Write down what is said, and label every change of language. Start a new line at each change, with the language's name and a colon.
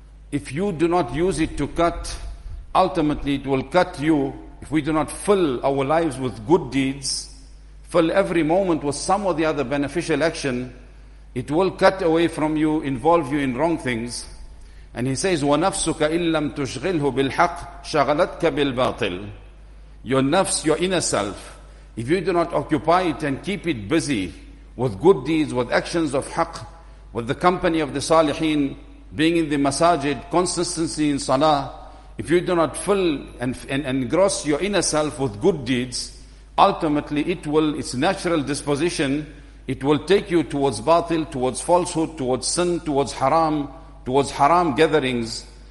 English: If you do not use it to cut, ultimately it will cut you. If we do not fill our lives with good deeds, fill every moment with some or the other beneficial action, it will cut away from you, involve you in wrong things. And he says,
Arabic: وَنَفْسُكَ إِن لَمْ تُشْغِلْهُ بِالْحَقِّ شَغَلَتْكَ بِالْبَاطِلِ.
English: Your nafs, your inner self, if you do not occupy it and keep it busy with good deeds, with actions of haqq, with the company of the salihin, being in the masajid, consistency in salah, if you do not fill and engross your inner self with good deeds, ultimately it will, its natural disposition, it will take you towards batil, towards falsehood, towards sin, towards haram gatherings.